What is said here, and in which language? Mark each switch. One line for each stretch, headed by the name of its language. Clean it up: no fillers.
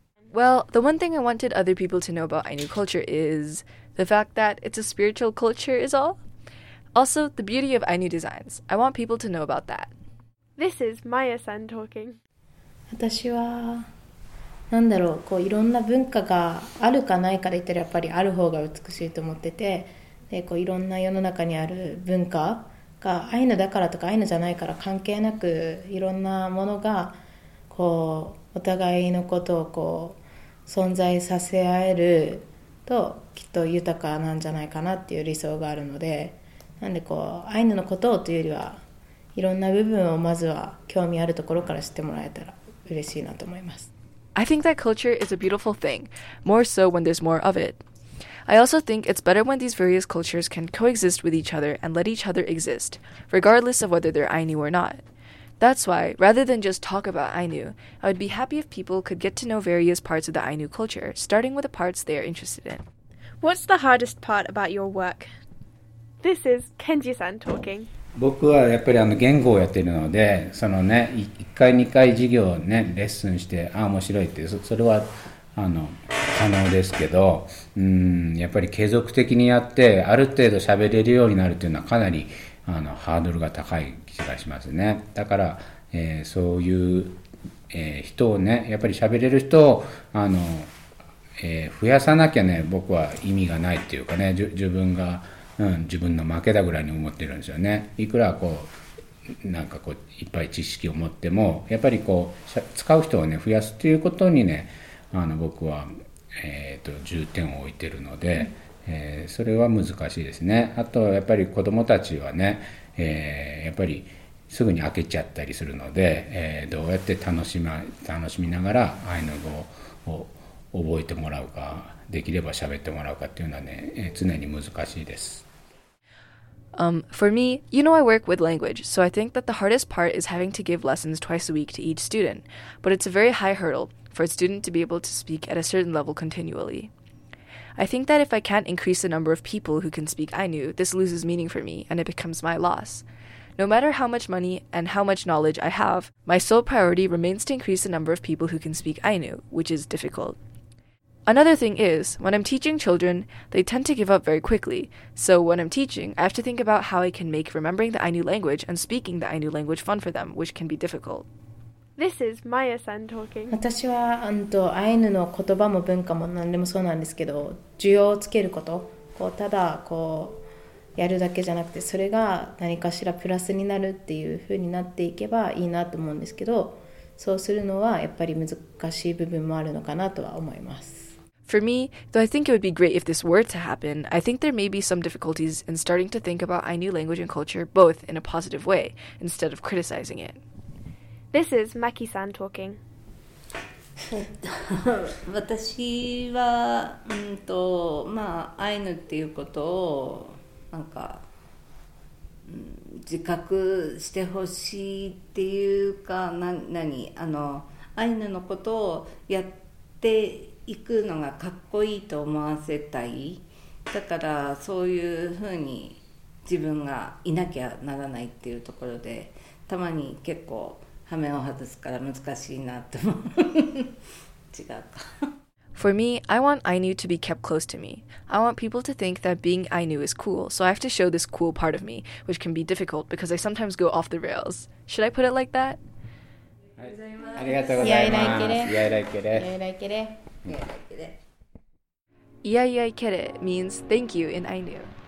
English: Well, the one thing I wanted other people to know about Ainu culture is the fact that it's a spiritual culture is all. Also, the beauty of Ainu designs. I want people to know about that. This is Maya-san talking.
Japanese: 私は、なんだろう、こういろんな文化があるかないかで言ったらやっぱりある方が美しいと思ってて、でこういろんな世の中にある文化がアイヌだからとかアイヌじゃないから関係なく、いろんなものがこうお互いのことをこう存在させ合えるときっと豊かなんじゃないかなっていう理想があるので、なんでこうアイヌのことをというよりはいろんな部分をまずは興味あるところから知ってもらえたら嬉しいなと思います。
English: I think that culture is a beautiful thing, more so when there's more of itI also think it's better when these various cultures can coexist with each other and let each other exist, regardless of whether they're Ainu or not. That's why, rather than just talk about Ainu, I would be happy if people could get to know various parts of the Ainu culture, starting with the parts they are interested in. What's the hardest part about your work? This is Kenji-san talking.
Japanese: 僕はやっぱりあの言語をやってるので、そのね、1回2回授業ね、レッスンして、あ、面白いって、それはあの可能ですけど、やっぱり継続的にやってある程度喋れるようになるというのはかなりあのハードルが高い気がしますね。だから、そういう、人をね、やっぱり喋れる人をあの、増やさなきゃね、僕は意味がないっていうかね、自分が、自分の負けだぐらいに思ってるんですよね。いくらこうなんかこういっぱい知識を持ってもやっぱりこう使う人をね増やすということにね僕は重点を置いてるので、それは難しいですね。あとやっぱり子どもたちはね、やっぱりすぐに開けちゃったりするので、どうやって楽しみながらアイヌ語を覚えてもらうか、できれば喋ってもらうかっていうのはね、常に難しいです。
English: For me, you know I work with language, so I think that the hardest part is having to give lessons twice a week to each student. But it's a very high hurdle for a student to be able to speak at a certain level continually. I think that if I can't increase the number of people who can speak Ainu, this loses meaning for me, and it becomes my loss. No matter how much money and how much knowledge I have, my sole priority remains to increase the number of people who can speak Ainu, which is difficult. Another thing is, when I'm teaching children, they tend to give up very quickly. So when I'm teaching, I have to think about how I can make remembering the Ainu language and speaking the Ainu language fun for them, which can be difficult. This is Maya-san talking.
Japanese: 私はアイヌの言葉も文化も何でもそうなんですけど、需要をつけること、こうただこうやるだけじゃなくて、それが何かしらプラスになるっていう風になっていけばいいなと思うんですけど、そうするのはやっぱり難しい部分もあるのかなとは思います。
English: For me, though I think it would be great if this were to happen, I think there may be some difficulties in starting to think about Ainu language and culture both in a positive way, instead of criticizing it. This is Maki-san talking.
Japanese: 私は、まあ、アイヌっていうことをなんか、自覚してほしいっていうか、アイヌのことをやって行くのがかっこいいと思わせたい。だからそういうふうに自分がいなきゃならないっていうところで、たまに結構羽目を外すから難しいなと思う。違うか。
English: For me, I want Ainu to be kept close to me. I want people to think that being Ainu is cool, so I have to show this cool part of me, which can be difficult because I sometimes go off the rails. Should I put it like that?
Japanese: ありがとうございます。
Ainu: やいらいけれ。やいらいけれ。
English: Iyaiyai kere means thank you in Ainu.